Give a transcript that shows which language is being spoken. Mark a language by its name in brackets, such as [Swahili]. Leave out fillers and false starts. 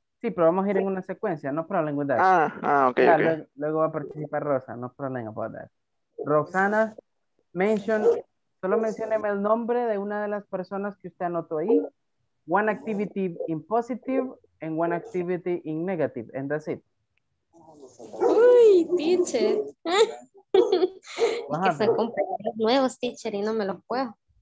[Spanish] Sí, pero vamos a ir en una secuencia. [English] No problem with that. Ah, okay. Yeah, okay. [Spanish] Luego va a participar [English] Rosa. No problem about that. Roxana, mention. [Spanish] Solo mencioneme el nombre de una de las personas que usted anotó ahí. [English] One activity in positive and one activity in negative. And that's it. [Spanish] Uy, pinche. Es que son compañeros nuevos, teacher, y no me los puedo.